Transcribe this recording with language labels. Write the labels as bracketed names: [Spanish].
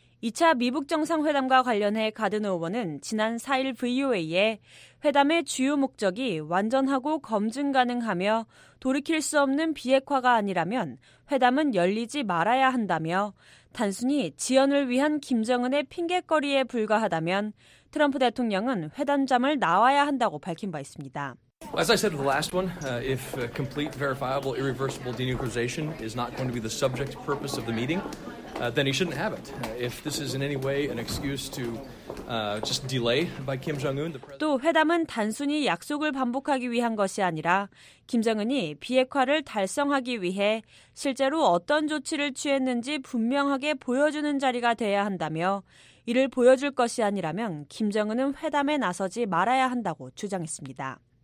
[Korean] 2차 미북 정상회담과 관련해 가드너 의원은 지난 4일 VOA에 회담의 주요 목적이 완전하고 검증 가능하며 돌이킬 수 없는 비핵화가 아니라면 회담은 열리지 말아야 한다며 단순히 지연을 위한 김정은의 핑계거리에 불과하다면 트럼프 대통령은 회담장을 나와야 한다고 밝힌 바 있습니다. [English] As I said in the last one, if complete, verifiable, irreversible denuclearization is not going to be the subject purpose of the meeting, then he shouldn't have it. If this is in any way an excuse to just delay by Kim Jong-un, the president. [Korean] 또 회담은 단순히 약속을 반복하기 위한 것이 아니라 김정은이 비핵화를 달성하기 위해 실제로 어떤 조치를 취했는지 분명하게 보여주는 자리가 돼야 한다며 이를 보여줄 것이 아니라면 김정은은 회담에 나서지 말아야 한다고 주장했습니다.